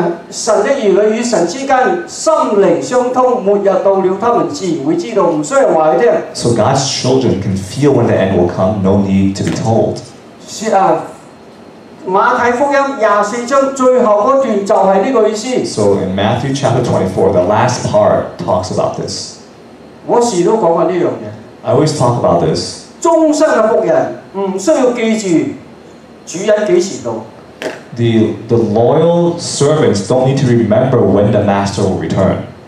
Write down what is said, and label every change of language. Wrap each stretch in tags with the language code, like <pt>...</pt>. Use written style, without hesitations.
<yue>神的兒女與神之間心靈相通，末日到了，他們自然會知道，唔需要話嘅啫。</yue> <en>So God's children can feel when the end will come, no need to be told.</en> <yue>是啊。馬太福音24章最後嗰段就係呢個意思。</yue> <en>So in Matthew chapter 24, the last part talks about this.</en> <yue>我時都講過呢樣嘢。</yue> <en>I always talk about this.</en> <yue>終生嘅仆人唔需要記住主人幾時到。</yue> <en>The loyal servants don't need to remember when the master will return.</en>